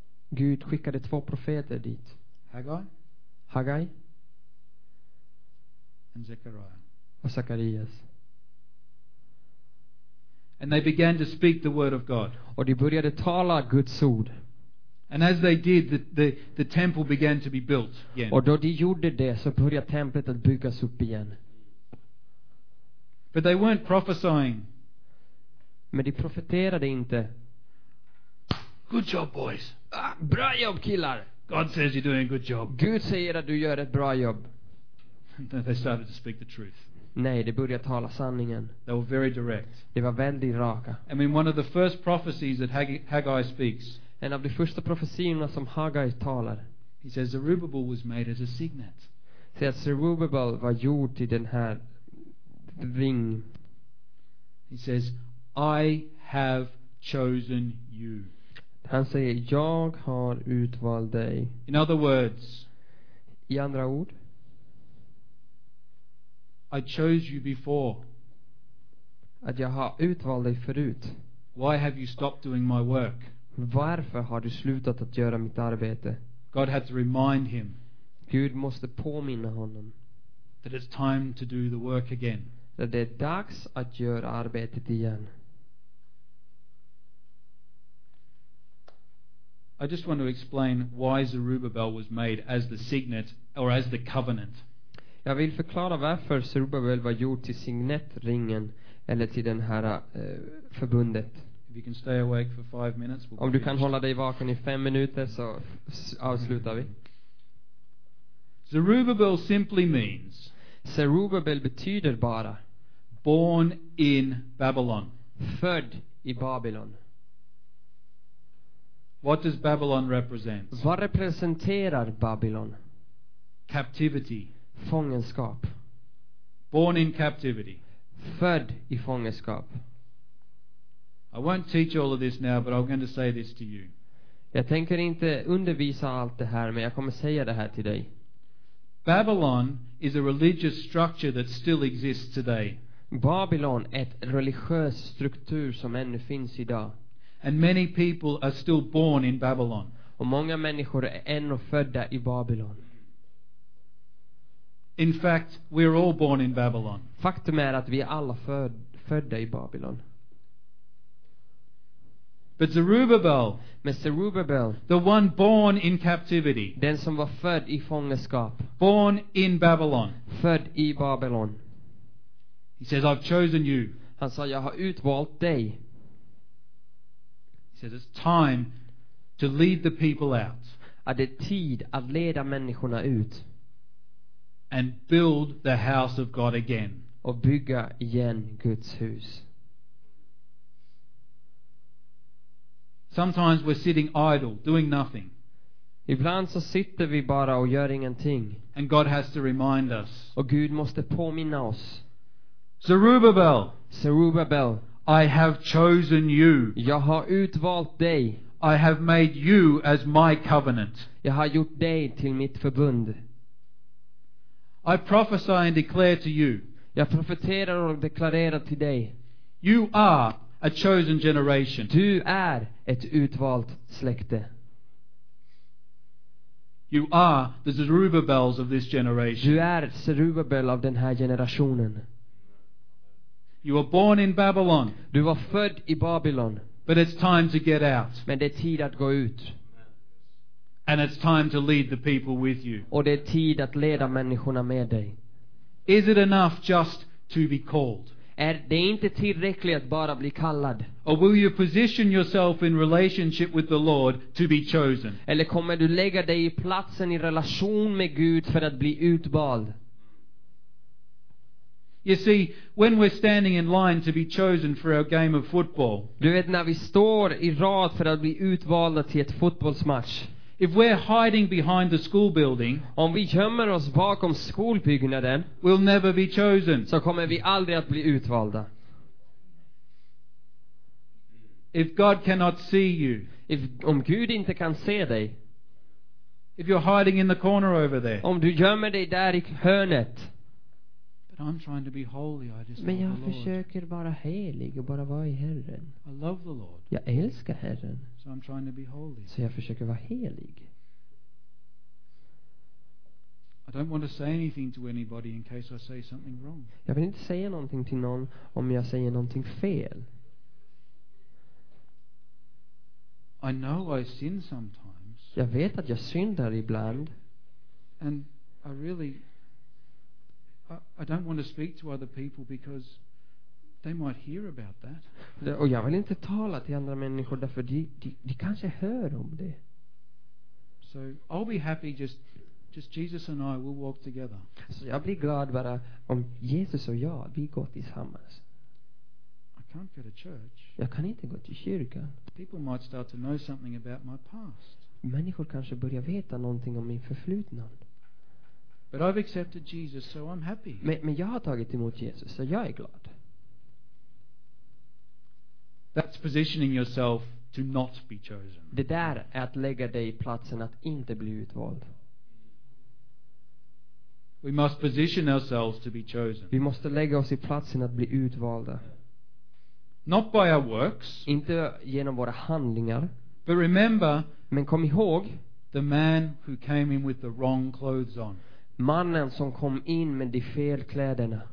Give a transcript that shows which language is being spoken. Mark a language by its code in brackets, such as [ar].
[sv] Gud skickade två profeter dit. Haggai. [en] And Zechariah. [sv] Och Zacharias. [en] And they began to speak the word of God. [sv] Och de började tala Guds ord. [en] And as they did, the temple began to be built again. [sv] Och då de gjorde det så började templet att byggas upp igen. [en] But they weren't prophesying. [sv] Men de profeterade inte. [en] Good job, boys. [sv] Bra jobb, killar. [en] God says you're doing a good job. [sv] Gud säger att du gör ett bra jobb. [en] They started to speak the truth. [sv] Nej, de började tala sanningen. [en] They were very direct. [sv] De var väldigt raka. [en] I mean, one of the first prophecies that Haggai speaks. [sv] En av de första profetierna som Haggai talar. [en] He says Zerubbabel was made as a signet. [sv] Säger att Zerubbabel var gjort till den här ring. [en] He says, I have chosen you. [sv] Han säger, jag har utvald dig. [en] In other words, [sv] i andra ord, [en] I chose you before. [sv] Att jag har utvald dig förut. [en] Why have you stopped doing my work? [sv] Varför har du slutat att göra mitt arbete? [en] God had to remind him. [sv] Gud måste påminna honom. [en] That it's time to do the work again. [sv] Att det är dags att göra arbetet igen. [en] I just want to explain why Zerubbabel was made as the signet or as the covenant. [sv] Jag vill förklara varför Zerubbabel var gjort till signetringen eller till den här förbundet. [en] If you can stay awake for 5 minutes, we'll [sv] om du kan hålla dig vaken i 5 minuter så avslutar vi. [en] Zerubbabel simply means [sv] Zerubbabel betyder bara [en] born in Babylon. [sv] Född i Babylon. [en] What does Babylon represent? [sv] Vad representerar Babylon? [en] Captivity. [sv] Fångenskap. [en] Born in captivity. [sv] Född i fångenskap. [en] I won't teach all of this now, but I'm going to say this to you. [sv] Jag tänker inte undervisa allt det här, men jag kommer säga det här till dig. [en] Babylon is a religious structure that still exists today. [sv] Babylon är ett religiös struktur som ännu finns idag. [en] And many people are still born in Babylon. [sv] Och många människor är ännu födda i Babylon. [en] In fact, we're all born in Babylon. [sv] Faktum är att vi är alla födda i Babylon. [en] But Zerubbabel, [sv] Mr. Zerubbabel, [en] the one born in captivity, [sv] den som var född i fångenskap, [en] born in Babylon, [sv] född i Babylon. [en] He says, "I've chosen you." [sv] Han sa, jag har utvalt dig. [en] He says, "It's time to lead the people out." [sv] Att det är tid att leda människorna ut. [en] And build the house of God again. [sv] Och bygga igen Guds hus. [en] Sometimes we're sitting idle, doing nothing. [sv] Ibland så sitter vi bara och gör ingenting. [en] And God has to remind us. [sv] Och Gud måste påminna oss. [en] Zerubbabel. [sv] Zerubbabel. [en] I have chosen you. [sv] Jag har utvalt dig. [en] I have made you as my covenant. [sv] Jag har gjort dig till mitt förbund. [en] I prophesy and declare to you. [sv] Jag profeterar och deklarerar till dig. [en] You are a chosen generation. [sv] Du är ett utvalt släkte. [en] You are the Zerubbabels of this generation. [sv] Du är Zerubbabel av den här generationen. [en] You were born in Babylon. [sv] Du var född i Babylon. [en] But it's time to get out. [sv] Men det är tid att gå ut. [en] And it's time to lead the people with you. [sv] Och det är tid att leda människorna med dig. [en] Is it enough just to be called? [sv] Är det inte tillräckligt att bara bli kallad? [en] Or will you position yourself in relationship with the Lord to be chosen? [sv] Eller kommer du lägga dig i platsen i relation med Gud för att bli utvald? [en] You see, when we're standing in line to be chosen for our game of football. [sv] Du vet när vi står i rad för att bli utvalda till ett fotbollsmatch. [en] If we're hiding behind the school building, [sv] om vi gömmer oss bakom skolbyggnaden, [en] we'll never be chosen. [sv] Så kommer vi aldrig att bli utvalda. [en] If God cannot see you, [sv] om Gud inte kan se dig, [en] if you're hiding in the corner over there, [sv] om du gömmer dig där i hörnet, [en] but I'm trying to be holy, I just [sv] men jag försöker vara helig och bara vara i Herren. [en] I love the Lord. [sv] Jag älskar Herren. [en] I'm trying to be holy. [sv] Så jag försöker vara helig. [en] I don't want to say anything to anybody in case I say something wrong. [sv] Jag vill inte säga någonting till någon om jag säger någonting fel. [en] I know I sin sometimes. [sv] Jag vet att jag syndar ibland. [en] And I don't want to speak to other people because they might hear about that. [sv] Och jag vill inte tala till andra människor därför de kanske hör om det. [en] So I'll be happy just Jesus and I will walk together. [sv] Så jag blir glad bara om Jesus och jag vi går tillsammans. [en] I can't go to church. [sv] Jag kan inte gå till kyrkan. [en] People might start to know something about my past. [sv] Människor kanske börjar veta någonting om min förflutna. [en] But I've accepted Jesus, so I'm happy. [sv] Men jag har tagit emot Jesus, så jag är glad. [en] That's positioning yourself to not be chosen. [sv] Det där är att lägga dig i platsen att inte bli utvald. [en] We must position ourselves to be chosen. [sv] Vi måste lägga oss i platsen att bli utvalda. [en] Not by our works. [sv] Inte genom våra handlingar. [en] But remember, [sv] men kom ihåg, [en] The man who came in with the wrong clothes on. [sv] Mannen som kom in med de fel kläderna.